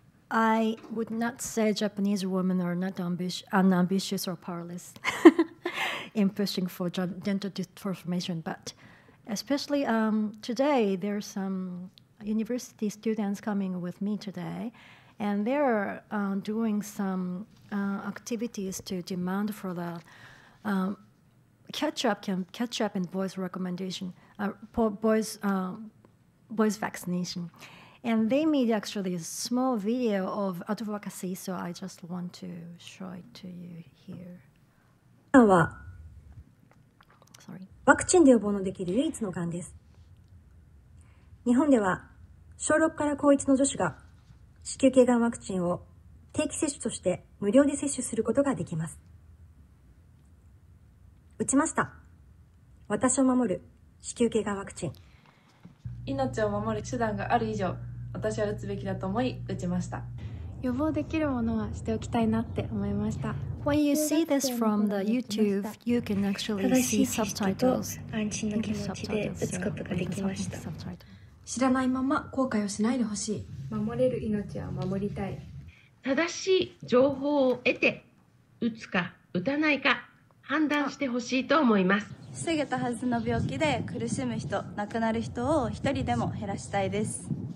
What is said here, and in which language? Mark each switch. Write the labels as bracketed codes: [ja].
[en] I would not say Japanese women are not unambitious or powerless in pushing for gender transformation, but especially today, there are some university students coming with me today, and they're doing some activities to demand for the catch up in boys' recommendation, boys' vaccination. And they made actually a small video of advocacy, so I just want to show it to you here. Sorry. [ja] ワクチンで予防のできる唯一のがんです。日本では小6から高1の女子が子宮頸がんワクチンを定期接種として無料で接種することができます。打ちました。私を守る子宮頸がんワクチン。命を守る手段がある以上、私は打つべきだと思い打ちました。予防できるものはしておきたいなって思いました。 [en] When you see this from the YouTube, you can actually see subtitles. [ja] 安心の気持ちで打つことができました。知らないまま後悔をしないでほしい。守れる命は守りたい。正しい情報を得て打つか打たないか判断してほしいと思います。防げたはずの病気で苦しむ人、亡くなる人を一人でも減らしたいです。